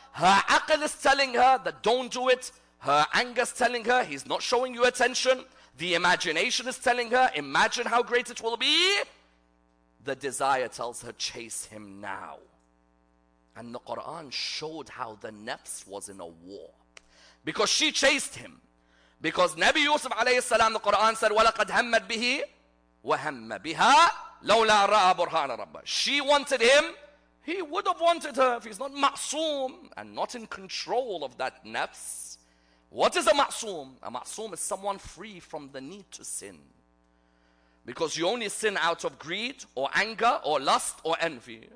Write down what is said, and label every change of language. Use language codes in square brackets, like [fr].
[en] Her aql is telling her that don't do it. Her anger's telling her he's not showing you attention. The imagination is telling her, imagine how great it will be. The desire tells her, chase him now. And the Quran showed how the nafs was in a war. Because she chased him. Because Nabi Yusuf alayhi salam, the Quran said, [ar] وَلَقَدْ هَمَّتْ بِهِ وَهَمَّ بِهَا لَوْلَا رَأَ بُرْهَانَ رَبَّهِ. [en] She wanted him. He would have wanted her if he's not ma'soom and not in control of that nafs. What is a ma'soom? A ma'soom is someone free from the need to sin. Because you only sin out of greed or anger or lust or envy.